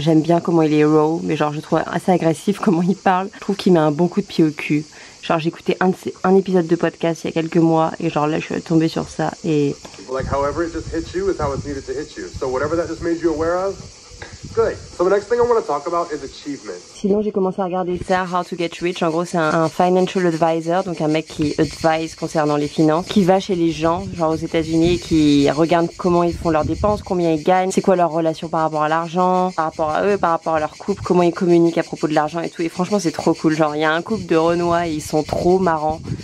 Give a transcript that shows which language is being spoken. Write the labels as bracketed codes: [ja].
[fr] J'aime bien comment il est raw, mais genre je trouve assez agressif comment il parle. Je trouve qu'il met un bon coup de pied au cul. Genre j'ai écouté un épisode de podcast il y a quelques mois et genre là je suis tombée sur ça et... [en] Like however it just hits you is how it's needed to hit you. So whatever that just made you aware of, good. So the next thing I want to talk about is achievement. [fr] Sinon j'ai commencé à regarder ça, How to Get Rich. En gros c'est un financial advisor, donc un mec qui advise concernant les finances, qui va chez les gens, genre aux États-Unis, qui regarde comment ils font leurs dépenses, combien ils gagnent, c'est quoi leur relation par rapport à l'argent, par rapport à eux, par rapport à leur couple, comment ils communiquent à propos de l'argent et tout. Et franchement c'est trop cool, genre il y a un couple de Renoir et ils sont trop marrants.